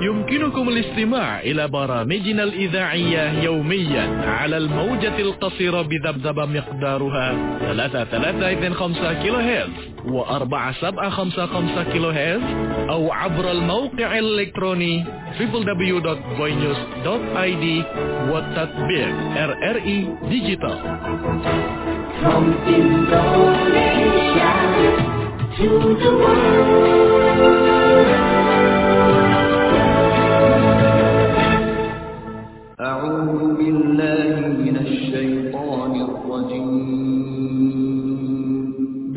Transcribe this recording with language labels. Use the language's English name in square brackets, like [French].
[Arabic] يمكنكم الاستماع إلى برامجنا الإذاعية يوميا على الموجة القصيرة بذبذبة مقدارها 3325 كيلو هيرتز و 4755 كيلو هيرتز أو عبر الموقع الإلكتروني www.voinews.id والتطبيق RRE Digital. [English] From Indonesia to the world. [Arabic] أعوذ بالله من الشيطان الرجيم.